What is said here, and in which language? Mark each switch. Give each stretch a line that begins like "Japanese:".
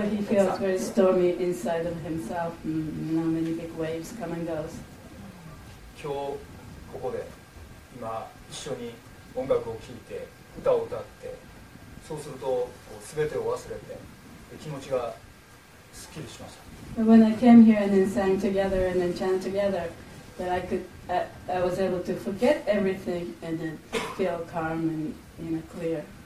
English: So he feels very stormy inside of himself, you know, many big waves come and goes.
Japanese: 今日ここで今一緒に音楽を聴いて歌を歌って、そうするとこう全てを忘れて気持ちがすっきりしました。
English: When I came here and then sang together and then chant together, that I could, I was able to forget everything and then feel calm and you know, clear.